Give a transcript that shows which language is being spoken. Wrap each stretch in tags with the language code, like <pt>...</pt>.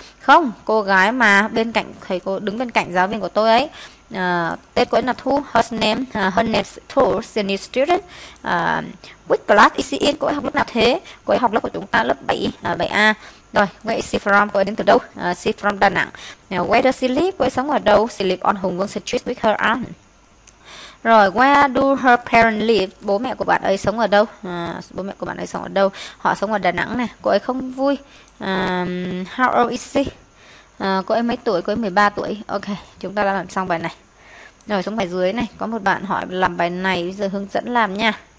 <vi>Không, cô gái mà bên cạnh thầy cô, đứng bên cạnh giáo viên của tôi ấy. Tên cô ấy là Thu.</vi> <en>Her name is Thu, senior student. Which class is she in?</en> <vi>Cô ấy học lớp nào thế? Cô ấy học lớp của chúng ta, lớp 7, 7A.</vi> <en>Rồi, where is she from?</en> <vi>Cô ấy đến từ đâu?</vi> <en>She from Đà Nẵng. Where does she live?</en> <vi>Cô ấy sống ở đâu?</vi> <en>She live on Hùng Vương Street with her aunt. Rồi, where do her parents live?</en> <vi>Bố mẹ của bạn ấy sống ở đâu? Bố mẹ của bạn ấy sống ở đâu? Họ sống ở Đà Nẵng nè. Cô ấy không vui.</vi> <en>How old is she?</en> <vi>Cô ấy mấy tuổi? Cô ấy 13 tuổi. Ok, chúng ta đã làm xong bài này. Rồi, xuống bài dưới này. Có một bạn hỏi làm bài này. Bây giờ hướng dẫn làm nha.</vi>